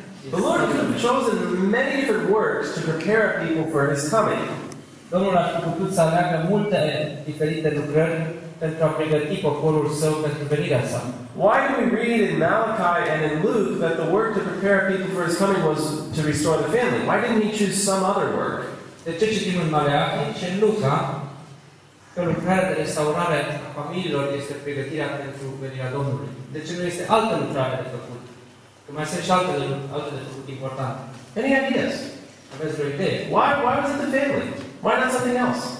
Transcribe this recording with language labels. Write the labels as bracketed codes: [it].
[en] The Lord could have chosen many different works to prepare people for His coming. [ro] Domnul ar fi putut să aleagă multe diferite lucrări pentru a pregăti poporul său pentru venirea sa. [en] Why do we read in Malachi and in Luke that the work to prepare people for His coming was to restore the family? Why didn't He choose some other work? [ro] De ce citim în Malachi și în Luca că lucrarea de restaurare a familiilor este pregătirea pentru venirea Domnului? De ce nu este altă lucrare de făcut? Că mai sunt și alte de făcut importante. [en] Any ideas? [ro] Aveți vreo idee? [en] Why was it the family? Why not something else?